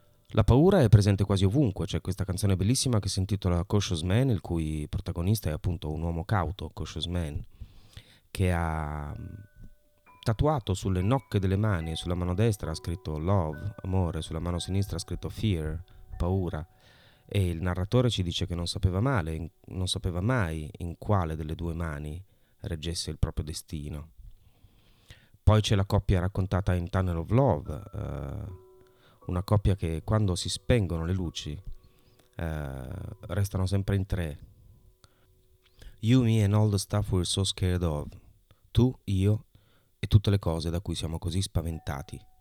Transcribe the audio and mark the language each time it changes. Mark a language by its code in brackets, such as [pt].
[it] La paura è presente quasi ovunque, c'è questa canzone bellissima che si intitola Cautious Man, il cui protagonista è appunto un uomo cauto, Cautious Man, che ha tatuato sulle nocche delle mani, sulla mano destra ha scritto love, amore, sulla mano sinistra ha scritto fear, paura, e il narratore ci dice che non sapeva mai in quale delle due mani reggesse il proprio destino. Poi c'è la coppia raccontata in Tunnel of Love, una coppia che quando si spengono le luci restano sempre in tre. [en] You, me and all the stuff we're so scared of. [it] Tu, io e tutte le cose da cui siamo così spaventati.